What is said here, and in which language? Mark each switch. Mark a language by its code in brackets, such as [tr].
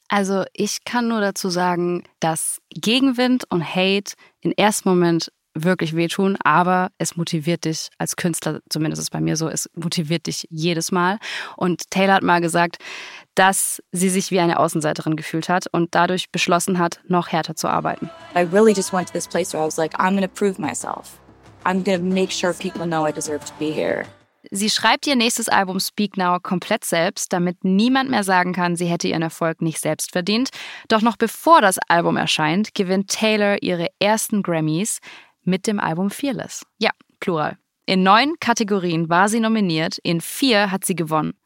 [de] Also ich kann nur dazu sagen, dass Gegenwind und Hate im ersten Moment wirklich wehtun, aber es motiviert dich als Künstler, zumindest ist es bei mir so, es motiviert dich jedes Mal. Und Taylor hat mal gesagt, dass sie sich wie eine Außenseiterin gefühlt hat und dadurch beschlossen hat, noch härter zu arbeiten. [en] I really just went to this place where I was like, I'm gonna prove myself. I'm gonna make sure people know I deserve to be here. [de] Sie schreibt ihr nächstes Album Speak Now komplett selbst, damit niemand mehr sagen kann, sie hätte ihren Erfolg nicht selbst verdient. Doch noch bevor das Album erscheint, gewinnt Taylor ihre ersten Grammys mit dem Album Fearless. Ja, Plural. In 9 Kategorien war sie nominiert, in 4 hat sie gewonnen.